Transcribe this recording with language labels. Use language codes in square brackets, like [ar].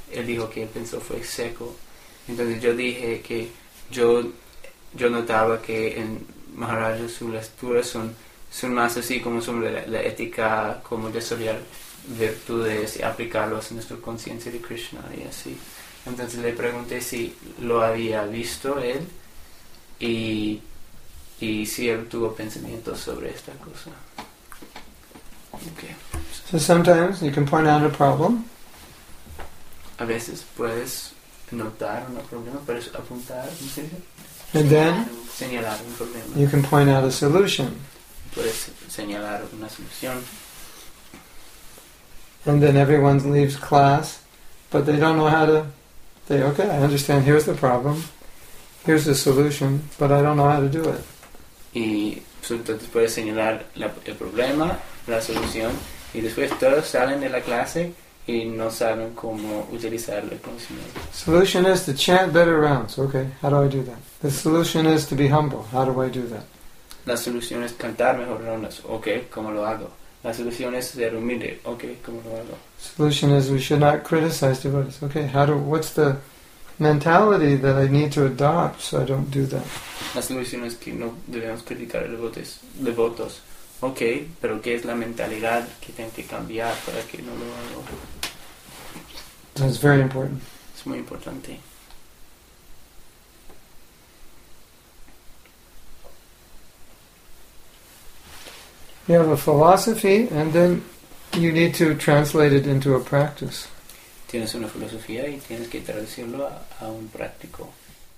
[es] Él dijo que él pensó fue seco. Entonces yo dije que yo notaba que en Maharaj sus lecturas son más así como sobre la ética, cómo desarrollar virtudes y aplicarlas en nuestra conciencia de Krishna y así. Entonces le pregunté si lo había visto él y si él tuvo pensamientos sobre esta cosa. Okay. [en] So sometimes you can point out a problem. [es] A veces puedes notar un problema, puedes apuntar, ¿no sé? [en] And then [es] señalar un problema. [en] You can point out a solution. [es] Puedes señalar una solución. [en] And then everyone leaves class, but they don't know how to say, okay, I understand, here's the problem, here's the solution, but I don't know how to do it. [es] Y entonces puedes señalar el problema, la solución, y después todos salen de la clase y no saben cómo utilizar el conocimiento. [en] Solution is to chant better rounds. Okay, how do I do that? The solution is to be humble. How do I do that? [es] La solución es cantar mejor rondas. Okay, ¿cómo lo hago? La solución es ser humilde. Okay, ¿cómo lo hago? [en] Solution is we should not criticize devotees. Okay, what's the mentality that I need to adopt so I don't do that? [es] La solución es que no debemos criticar devotos. Okay, pero ¿qué es la mentalidad que tengo que cambiar para que no lo hago? [en] That's very important. [es] Es muy importante. [en] You have a philosophy, and then you need to translate it into a practice. [es] Tienes una filosofía y tienes que traducirlo a un práctico.